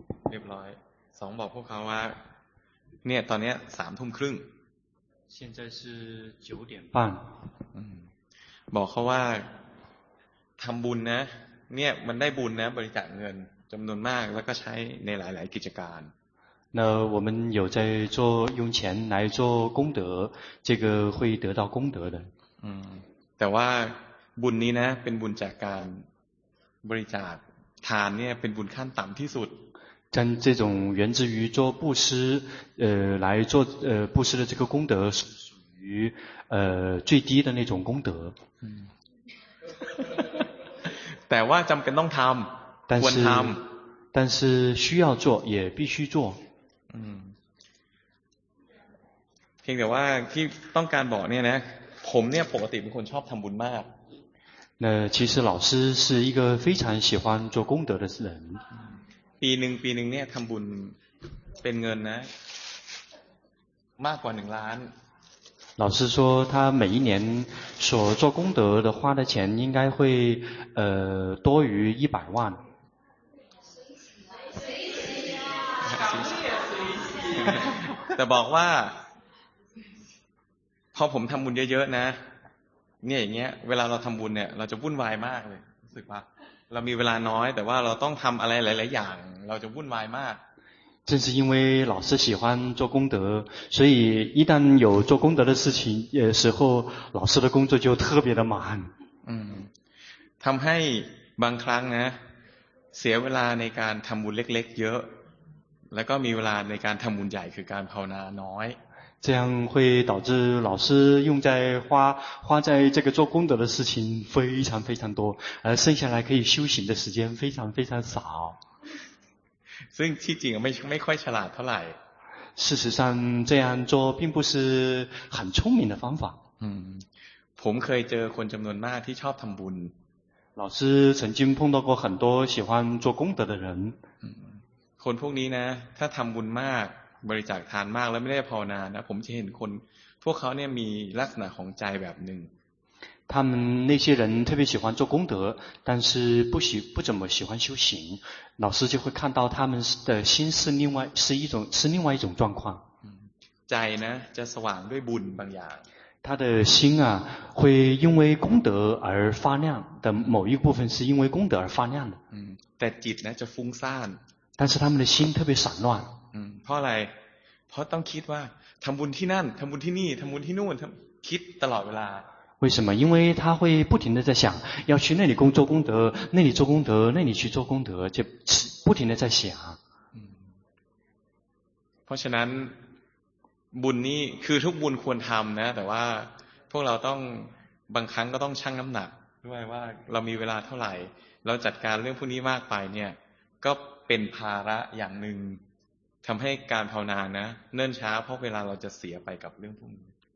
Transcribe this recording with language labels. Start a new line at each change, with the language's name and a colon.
Thai: เรียบร้อยสองบอกพวกเขาว่าเนี่ยตอนนี้สามทุ่มครึ่ง
Chinese: 现在是九点半
Thai: บอกเขาว่าทำบุญนะเนี่ยมันได้บุญนะบริจาคเงินจำนวนมากแล้วก็ใช้ในหลายๆกิจการ
Chinese: 那我们有在做用钱来做功德这个会得到功德的
Thai: แต่ว่าบุญนี้นะเป็นบุญจากการบริจาคทานเนี่ยเป็นบุญขั้นต่ำที่สุด
Chinese: 但这种源自于做布施，来做布施的这个功德是属于最低的那种功德。但是
Thai: จําเป็นต้องทำ，ควรทำ，
Chinese: 但是需要做，也必须做。
Thai: เพียงแต่ว่าที่ต้องการบอกเนี่ยนะผมเนี่ยปกติเป็นคนชอบทำบุญมาก。
Chinese: 那其实老师是一个非常喜欢做功德的人。
Thai: ปีหนึ่งเนี่ยทำบุญเป็นเงินนะมากกว่า1ล้าน
Chinese: 老师说他每一年所做功德的花的钱应该会多于100万谁起啊
Thai: แต่บอกว่าพอผมทำบุญเยอะๆนะเนี่ยอย่างเงี้ยเวลาเราทำบุญเนี่ยเราจะวุ่นวายมากเลยรู้สึกว่าเรามีเวลาน้อยแต่ว่าเราต้องทำอะไรหลายๆอย่างเราจะวุ่นวายมาก
Chinese: 正是因为老师喜欢做功德，所以一旦有做功德的事情时候，老师的工作就特别的忙。
Thai: 嗯，ทำให้บางครั้งนะเสียเวลาในการทำบุญเล็กๆเยอะแล้วก็มีเวลาในการทำบุญใหญ่คือการภาวนาน้อย
Chinese: 这样会导致老师用在花在这个做功德的事情非常非常多，而剩下来可以修行的时间非常非常少。
Thai: ซึ่งที่จริงไม่ค่อยฉลาดเท่าไหร่
Chinese: 事实上这样做并不是很聪明的方法
Thai: ผมเคยเจอคนจำนวนมากที่ชอบทำบุญ
Chinese: 老师曾经碰到过很多喜欢做功德的人
Thai: คนพวกนี้นะถ้าทำบุญมากบริจาคทานมากแล้วไม่ได้ภาวนานะผมจะเห็นคนพวกเขาเนี่ยมีลักษณะของใจแบบหนึ่ง
Chinese: 他们那些人特别喜欢做功德，但是不怎么喜欢修行，老师就会看到他们的心是另外一种状况。
Thai: ใจนะจะสว่างด้วยบุญบางอย่าง
Chinese: 他的心啊会因为功德而发亮的某一部分是因为功德而发亮的。
Thai: แต่จิตนะจะฟุ้งซ่าน
Chinese: 但是他们的心特别散乱。
Thai: เพราะอะไรเพราะต้องคิดว่าทำบุญที่นั่นทำบุญที่นี่ทำบุญที่นู่นคิดตลอดเวลา
Chinese: 为什么？因为他会不停的在想，要去那里工作功德，那里做功德，那里去做功德，就不停的在想。
Thai: เพราะฉะนั้นบุญนี้คือทุกบุญควรทำนะแต่ว่าพวกเราต้องบางครั้งก็ต้องชั่งน้ำหนักด้วยว่าเรามีเวลาเท่าไหร่เราจัดการเรื่องพวกนี้มากไปเนี่ยก็เป็นภาระอย่างหนึ่งทำให้การภาวนานะเนิ่นช้าเพราะเวลาเราจะเสียไปกับเรื่องพวกนี้